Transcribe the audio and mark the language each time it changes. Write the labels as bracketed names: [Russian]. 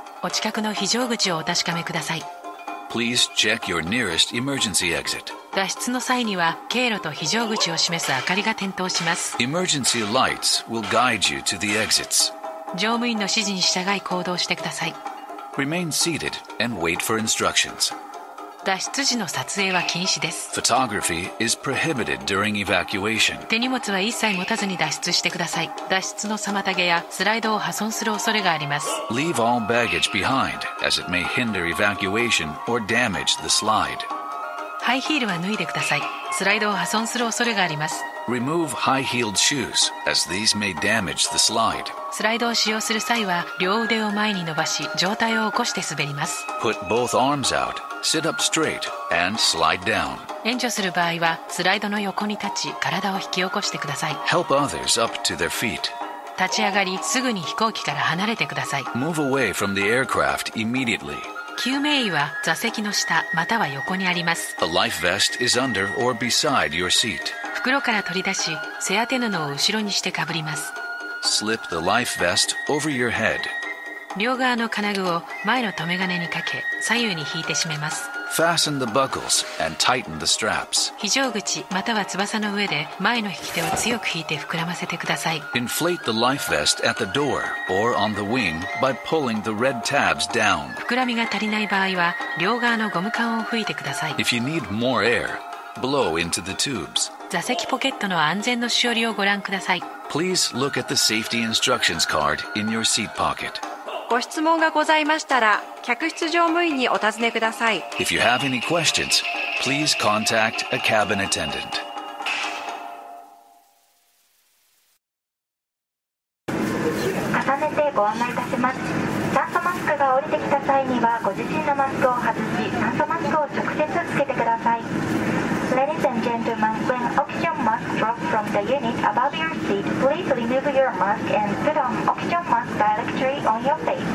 [Japanese] お近くの非常口をお確かめください。 [English] Please check your nearest emergency exit. [Japanese] 脱出の際には経路と非常口を示す明かりが点灯します。 [English] Emergency lights will guide you to the exits. [Japanese] 乗務員の指示に従い行動してください。 [English] Remain seated and wait for instructions. [Japanese] 脱出時の撮影は禁止です。 [English] Photography is prohibited during evacuation. [Japanese] 手荷物は一切持たずに脱出してください。脱出の妨げやスライドを破損する恐れがあります。 [English] Leave all baggage behind as it may hinder evacuation or damage the slide. [Japanese] ハイヒールは脱いでください。スライドを破損する恐れがあります。 [English] Remove high-heeled shoes as these may damage the slide. [Japanese] スライドを使用する際は両腕を前に伸ばし上体を起こして滑ります。 [English] Put both arms outSit up straight and slide down. [Japanese] 援助する場合はスライドの横に立ち体を引き起こしてください。 [English] Help others up to their feet. [Japanese] 立ち上がりすぐに飛行機から離れてください。 [English] Move away from the aircraft immediately. [Japanese] 救命衣は座席の下または横にあります。 [English] A life vest is under or beside your seat. [Japanese] 袋から取り出し背当て布を後ろにしてかぶります。 [English] Slip the life vest over your head. [Japanese] 両側の金具を前の留め金にかけ左右に引いて締めます。 [English] Fasten the buckles and tighten the straps. [Japanese] 非常口または翼の上で前の引き手を強く引いて膨らませてください。 [English] Inflate the life vest at the door or on the wing by pulling the red tabs down. [Japanese] 膨らみが足りない場合は両側のゴム管を吹いてください。 [English] If you need more air, blow into the tubes. [Japanese] 座席ポケットの安全のしおりをご覧ください。 [English] Please look at the safety instructions card in your seat pocket. [Japanese] ご質問がございましたら、客室乗務員にお尋ねください。 [English] If you have any questions, please contact a cabin attendant. [Japanese] めてご案内いたします。酸素マスクが降りてきた際には、ご自身のマスクを外し、酸素マスクを直接つけてください。 [English] Ladies and gentlemen, when oxygen mask drops from the unit above your seat, please remove your mask and put on oxygen mask directly on your face.